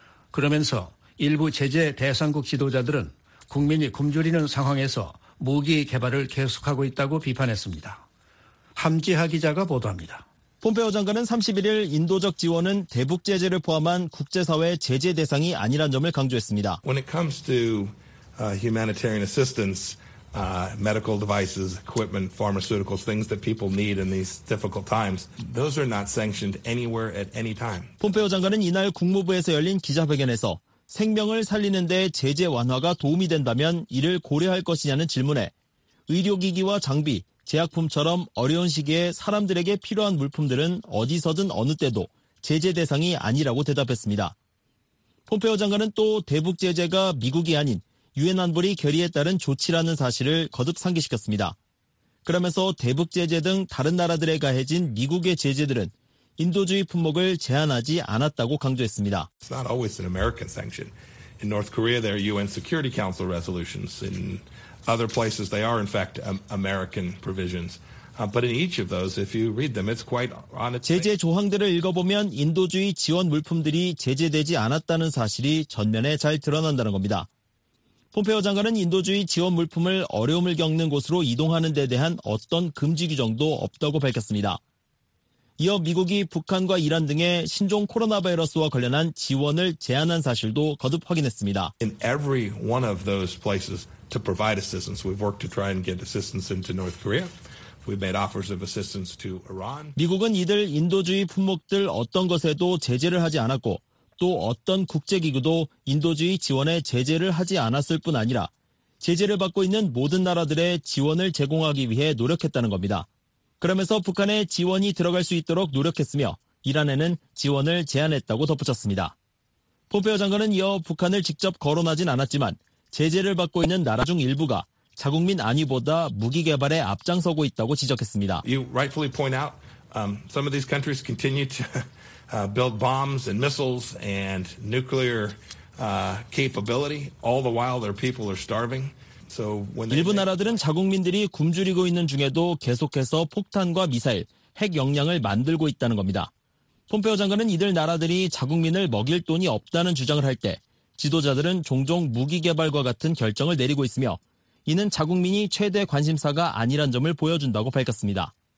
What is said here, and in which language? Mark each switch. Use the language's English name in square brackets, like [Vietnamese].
[Korean] 그러면서 일부 제재 대상국 지도자들은 국민이 굶주리는 상황에서 무기 개발을 계속하고 있다고 비판했습니다. 함지하 기자가 보도합니다. 폼페오 장관은 31일 인도적 지원은 대북 제재를 포함한 국제사회 제재 대상이 아니란 점을 강조했습니다. [English] When it comes to humanitarian assistance, medical devices, equipment, pharmaceuticals, things that people need in these difficult times, those are not sanctioned anywhere at any time. [Korean] 폼페오 장관은 이날 국무부에서 열린 기자회견에서 생명을 살리는 데 제재 완화가 도움이 된다면 이를 고려할 것이냐는 질문에 의료기기와 장비, 제약품처럼 어려운 시기에 사람들에게 필요한 물품들은 어디서든 어느 때도 제재 대상이 아니라고 대답했습니다. 폼페오 장관은 또 대북 제재가 미국이 아닌 유엔 안보리 결의에 따른 조치라는 사실을 거듭 상기시켰습니다. 그러면서 대북 제재 등 다른 나라들에 가해진 미국의 제재들은 인도주의 품목을 제한하지 않았다고 강조했습니다. [English] It's not always an American sanction. In North Korea, there are UN Security Council resolutions. In other places, they are in fact American provisions. But in each of those, if you read them, it's quite on its [Korean] 제재 조항들을 읽어보면 인도주의 지원 물품들이 제재되지 않았다는 사실이 전면에 잘 드러난다는 겁니다. 폼페오 장관은 인도주의 지원 물품을 어려움을 겪는 곳으로 이동하는 데 대한 어떤 금지 규정도 없다고 밝혔습니다. 이어 미국이 북한과 이란 등의 신종 코로나 바이러스와 관련한 지원을 제한한 사실도 거듭 확인했습니다. [English] In every one of those places to provide assistance, we've worked to try and get assistance into North Korea. We've made offers of assistance to Iran. [Korean] 미국은 이들 인도주의 품목들 어떤 것에도 제재를 하지 않았고 또 어떤 국제기구도 인도주의 지원에 제재를 하지 않았을 뿐 아니라 제재를 받고 있는 모든 나라들의 지원을 제공하기 위해 노력했다는 겁니다. 그러면서 북한에 지원이 들어갈 수 있도록 노력했으며 이란에는 지원을 제안했다고 덧붙였습니다. 폼페이오 장관은 이어 북한을 직접 거론하진 않았지만 제재를 받고 있는 나라 중 일부가 자국민 안위보다 무기 개발에 앞장서고 있다고 지적했습니다. [English] You rightfully point out some of these countries continue to build bombs and missiles and nuclear capability all the while their people are starving. [Korean] 일부 나라들은 자국민들이 굶주리고 있는 중에도 계속해서 폭탄과 미사일, 핵 역량을 만들고 있다는 겁니다. 폼페이오 장관은 이들 나라들이 자국민을 먹일 돈이 없다는 주장을 할 때 지도자들은 종종 무기 개발과 같은 결정을 내리고 있으며 이는 자국민이 최대 관심사가 아니란 점을 보여준다고 밝혔습니다.